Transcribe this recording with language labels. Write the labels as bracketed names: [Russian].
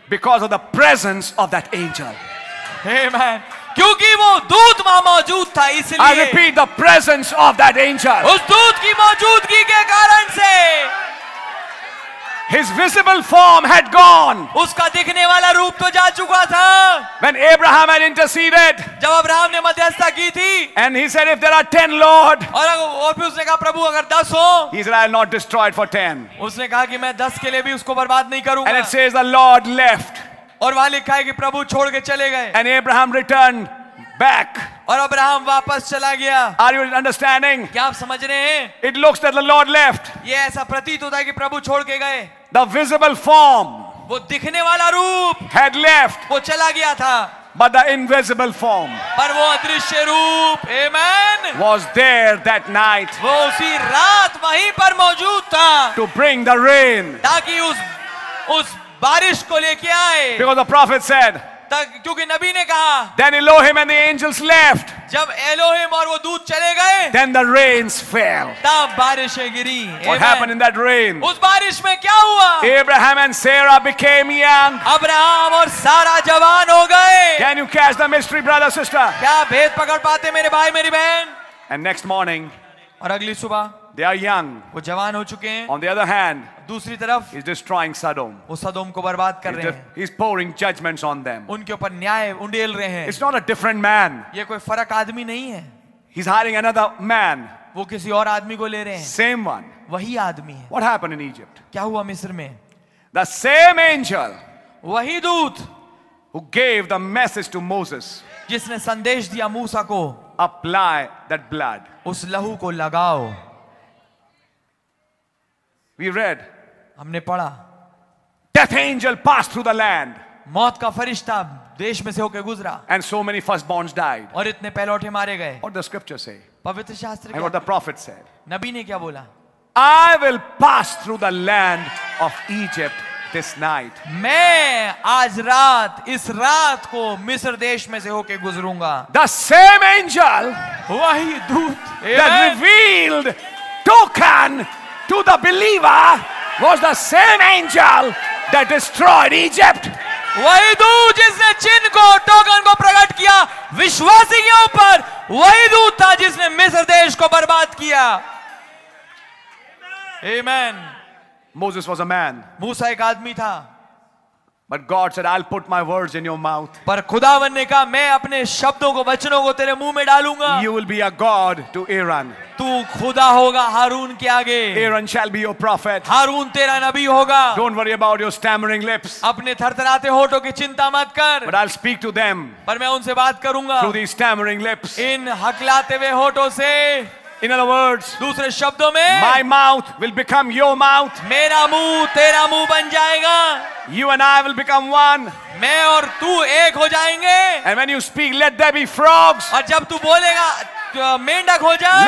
[English] Because of the presence of that angel. Amen. [Hindi] क्योंकि वो दूत वहां मौजूद था इसलिए. [English] I repeat, the presence of that angel. [Hindi] उस दूत की मौजूदगी के कारण से. [English] His visible form had gone. [Hindi] उसका दिखने वाला रूप तो जा चुका था. [English] When Abraham had interceded. [Hindi] जब अब्राहम ने मध्यस्थता की थी. [English] And he said, if there are 10, Lord. [Hindi] और फिर उसने कहा प्रभु अगर 10 हो. [English] He said, I'll not destroy it for 10. [Hindi] उसने कहा कि मैं 10 के लिए भी उसको बर्बाद नहीं करूंगा. [English] And it says the Lord left. [Hindi] और वहां लिखा है कि प्रभु छोड़ के चले गए. [English] And Abraham returned back. [Hindi] और अब्राहम वापस चला गया. [English] Are you understanding? [Hindi] क्या आप समझ रहे हैं? [English] It looks that the Lord left. [Hindi] ये ऐसा प्रतीत होता है कि प्रभु छोड़ के गए. [English] The visible form. [Hindi] वो दिखने वाला रूप. [English] Had left. [Hindi] वो चला गया था. [English] But the invisible form. [Hindi] पर वो अदृश्य रूप. Amen. [English] Was there that night. [Hindi] वो उसी रात वहीं पर मौजूद था. [English] To bring the rain. [Hindi] ताकि उस बारिश को लेके आए. [English] Because the prophet said. [Hindi] क्योंकि नबी ने कहा. [English] Then Elohim and the angels left. [Hindi] जब Elohim और वो दूत चले गए. [English] Then the rains fell. [Hindi] तब बारिशें गिरी. [English] What happened in that rain? [Hindi] उस बारिश में क्या हुआ? [English] Abraham and Sarah became young. [Hindi] Abraham और सारा जवान हो गए. [English] Can you catch the mystery, brother, sister? [Hindi] क्या भेद पकड़ पाते मेरे भाई मेरी बहन? [English] And next morning. [Hindi] और अगली सुबह. [English] They are young. [Hindi] वो जवान हो चुके हैं. [English] On the other hand. [Hindi] दूसरी तरफ. [English] He's destroying Sodom. [Hindi] वो सदोम को बर्बाद कर रहे हैं. [English] He's pouring judgments on them. [Hindi] उनके ऊपर न्याय उंडेल रहे हैं. [English] It's not a different man. [Hindi] ये कोई फरक आदमी नहीं है. [English] He's hiring another man. [Hindi] वो किसी और आदमी को ले रहे हैं. [English] Same one. [Hindi] वही आदमी है. [English] What happened in Egypt? [Hindi] क्या हुआ मिस्र में? [English] The same angel. [Hindi] वही दूत. [English] Who gave the message to Moses. [Hindi] जिसने संदेश दिया मूसा को. [English] Apply that blood. [Hindi] उस लहू को लगाओ. [English] We read. [Hindi] हमने पढ़ा. [English] Death angel passed through the land. [Hindi] मौत का फरिश्ता देश में से होकर गुजरा. [English] And so many firstborns died. [Hindi] और इतने पहलौठे मारे गए. [English] What the scripture say? [Hindi] पवित्र शास्त्र. [English] And what the prophet said? [Hindi] नबी ने क्या बोला? [English] I will pass through the land of Egypt this night. [Hindi] मैं आज रात इस रात को मिस्र देश में से होकर गुजरूंगा. [English] The same angel. [Hindi] वही दूत. [English] That revealed token. To the believer was the same angel that destroyed Egypt. [Hindi] वही दूत जिसने चिन्ह को टोकन को प्रकट किया विश्वासियों पर वही दूत था जिसने मिस्र देश को बर्बाद किया. [English] Amen. Moses was a man. [Hindi] मूसा एक आदमी था. [English] But God said, "I'll put my words in your mouth." [Hindi] पर खुदावन ने कहा, मैं अपने शब्दों को, वचनों को तेरे मुंह में डालूँगा. [English] You will be a God to Aaron. [Hindi] तू खुदा होगा हारून के आगे. [English] Aaron shall be your prophet. [Hindi] हारून तेरा नबी होगा. [English] Don't worry about your stammering lips. [Hindi] अपने थरथराते होठों की चिंता मत कर. [English] But I'll speak to them. [Hindi] पर मैं उनसे बात करूँगा. [English] Through these stammering lips. [Hindi] इन हकलाते हुए होठों से. [English] In other words, [Hindi] दूसरे शब्दों में, [English] my mouth will become your mouth. [Hindi] मेरा मुंह तेरा मुंह बन जाएगा. [English] You and I will become one. [Hindi] मैं और तू एक हो जाएंगे. [English] And when you speak, let there be frogs. [Hindi] और जब तू बोलेगा मेंढक हो जाए.